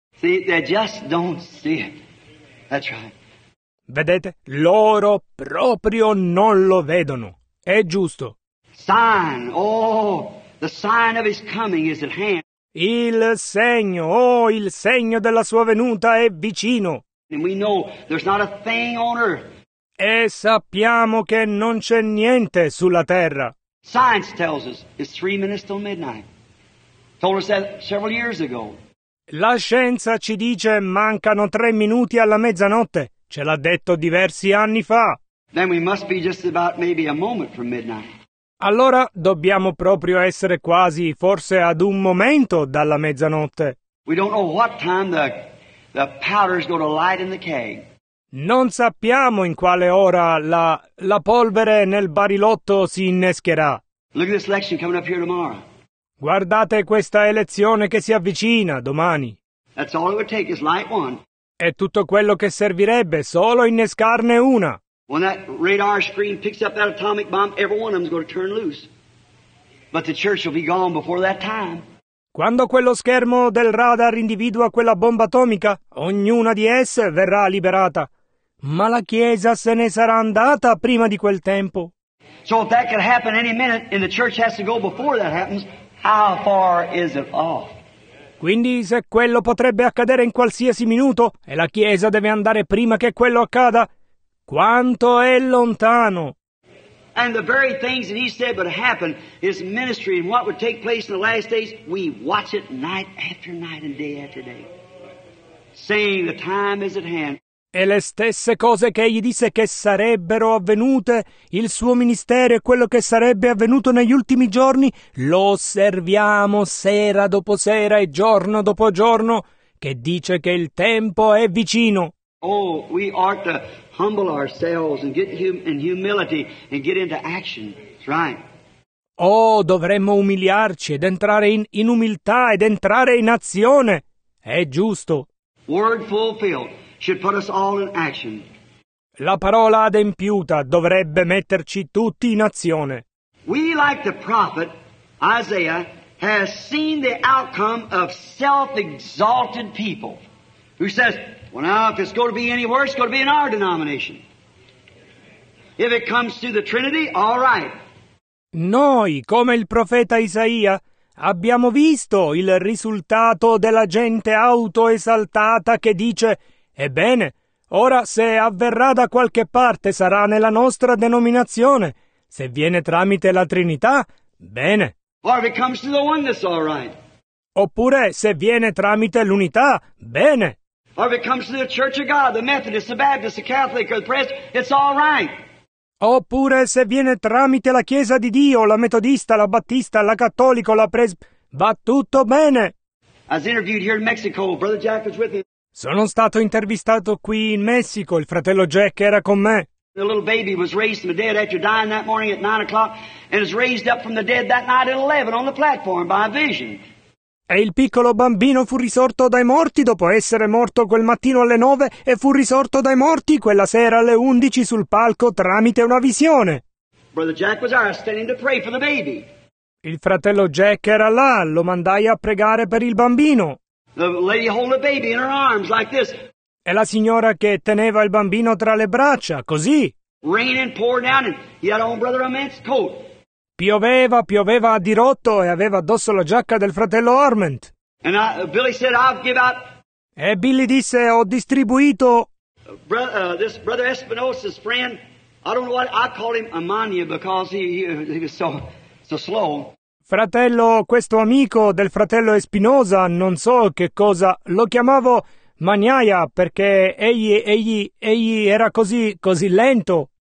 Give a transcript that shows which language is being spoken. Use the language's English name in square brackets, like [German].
[English] See, they just don't see it. That's right. [Italian] Vedete? Loro proprio non lo vedono. È giusto. [English] Sign, oh, the sign of his coming is at hand. [Italian] Il segno, oh, il segno della sua venuta è vicino. [English] And we know there's not a thing on earth. [Italian] E sappiamo che non c'è niente sulla terra. [English] Science tells us it's 3 minutes till midnight. Told us that several years ago. [Italian] La scienza ci dice mancano 3 minuti alla mezzanotte. Ce l'ha detto diversi anni fa. [English] Then we must be just about maybe a moment from midnight. [Italian] Allora dobbiamo proprio essere quasi, forse ad un momento dalla mezzanotte. [English] We don't know what time the powder's gonna light in the keg. [Italian] Non sappiamo in quale ora la polvere nel barilotto si innescherà. [English] Look at this election coming up here tomorrow. [Italian] Guardate questa elezione che si avvicina domani. [English] That's all it would take is light one. [Italian] È tutto quello che servirebbe, solo innescarne una. [English] When that radar screen picks up that atomic bomb, every one of them is going to turn loose. But the church will be gone before that time. [Italian] Quando quello schermo del radar individua quella bomba atomica, ognuna di esse verrà liberata. Ma la Chiesa se ne sarà andata prima di quel tempo. [English] So if that could happen any minute and the church has to go before that happens, how far is it off? [Italian] Quindi se quello potrebbe accadere in qualsiasi minuto e la Chiesa deve andare prima che quello accada, quanto è lontano! [English] And the very things that he said would happen, his ministry and what would take place in the last days, we watch it night after night and day after day, saying the time is at hand. [Italian] E le stesse cose che egli disse che sarebbero avvenute, il suo ministero e quello che sarebbe avvenuto negli ultimi giorni, lo osserviamo sera dopo sera e giorno dopo giorno, che dice che il tempo è vicino. [English] Oh, we are to humble ourselves and get in humility and get into action. That's right. [Italian] Oh, dovremmo umiliarci ed entrare in umiltà ed entrare in azione. È giusto. [English] Word fulfilled should put us all in action. [Italian] La parola adempiuta dovrebbe metterci tutti in azione. [English] We, like the prophet Isaiah, has seen the outcome of self-exalted people who says, well, now, if it's going to be any worse, it's going to be in our denomination. If it comes to the Trinity, all right. [Italian] Noi, come il profeta Isaia, abbiamo visto il risultato della gente autoesaltata che dice: ebbene, ora se avverrà da qualche parte sarà nella nostra denominazione. Se viene tramite la Trinità, bene. [English] Or if it comes to the oneness, all right. [Italian] Oppure se viene tramite l'unità, bene. [English] Or if it comes to the Church of God, the Methodist, the Baptist, the Catholic, or the Presbyterian, it's all right. [Italian] Oppure se viene tramite la Chiesa di Dio, la Metodista, la Battista, la Cattolica, la va tutto bene. [English] I was interviewed here in Mexico. Brother Jack was with me. [Italian] Sono stato intervistato qui in Messico. Il fratello Jack era con me. [English] The little baby was raised from the dead after dying that morning at 9 o'clock, and was raised up from the dead that night at 11 on the platform by a vision. [Italian] E il piccolo bambino fu risorto dai morti dopo essere morto quel mattino alle 9 e fu risorto dai morti quella sera alle 11 sul palco tramite una visione. [English] Brother Jack was there, standing to pray for the baby. [Italian] Il fratello Jack era là, lo mandai a pregare per il bambino. [English] The lady holding the baby in her arms like this. [Italian] E la signora che teneva il bambino tra le braccia, così. [English] Raining poured down and he had on brother Ament's coat. [Italian] Pioveva, pioveva a dirotto e aveva addosso la giacca del fratello Arment. [English] And Billy said, I'll give out. [Italian] E Billy disse, ho distribuito. [English] This brother Espinosa's friend, I don't know what, I call him Amania because he was so slow. [Italian] Fratello, questo amico del fratello Espinosa, non so che cosa, lo chiamavo Maniaia perché egli era così lento.